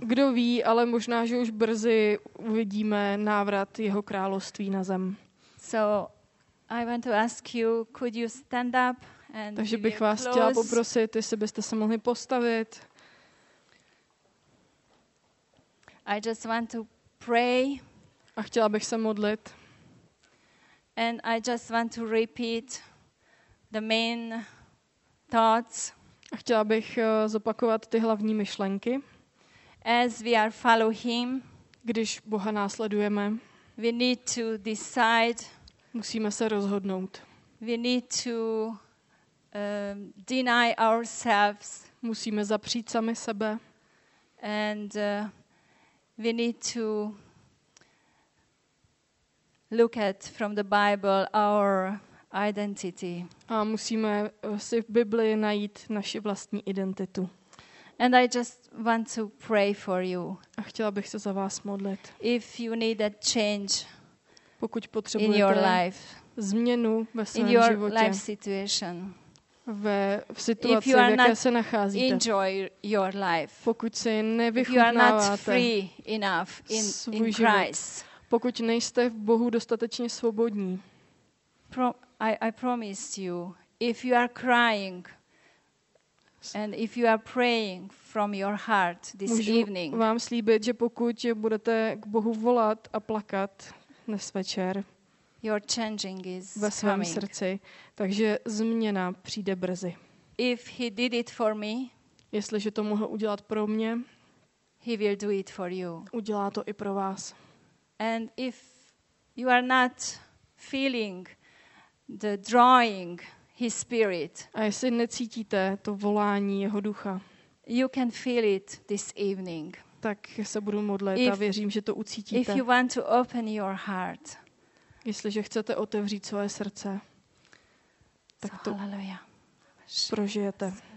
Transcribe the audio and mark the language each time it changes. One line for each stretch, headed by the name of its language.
Czech: Kdo ví, ale možná, že už brzy uvidíme návrat jeho království na zem.
English: So I want to ask you, could you stand up and
Czech: takže bych vás chtěla poprosit, jestli byste se mohli postavit.
English: I just want to pray.
Czech: A chtěla bych se modlit.
English: And I just want to repeat the main thoughts.
Czech: A chtěla bych zopakovat ty hlavní myšlenky.
English: as we are follow him,
Czech: když Boha následujeme,
English: we need to decide,
Czech: musíme se rozhodnout.
English: We need to deny ourselves,
Czech: musíme zapřít sami sebe.
English: And we need to look at from the Bible our identity.
Czech: A musíme si v Bibli najít naši vlastní identitu.
English: And I just want to pray for you.
Czech: A chtěla bych se za vás modlit.
English: If you need a change,
Czech: pokud potřebujete
English: in your life,
Czech: změnu ve svém životě,
English: in your life situation,
Czech: v situaci,
English: if you are
Czech: v jaké se nacházíte,
English: enjoy your life,
Czech: pokud si nevychutnáváte svůj život, pokud nejste v Bohu dostatečně svobodní,
English: I promise you, if you are crying and if you are praying from your heart this evening,
Czech: můžu vám slíbit, že pokud budete k Bohu volat a plakat dnes večer,
English: your changing is
Czech: ve svém
English: coming.
Czech: Srdci, takže změna přijde brzy.
English: If he did it for me,
Czech: jestliže to mohl udělat pro mě,
English: he will do it for you.
Czech: Udělá to i pro vás.
English: And if you are not feeling the drawing his spirit,
Czech: a jestli necítíte to volání jeho ducha,
English: you can feel it this evening.
Czech: Tak se budu modlit a věřím, že to ucítíte.
English: If you want to open your heart,
Czech: jestliže chcete otevřít svoje srdce, tak to prožijete.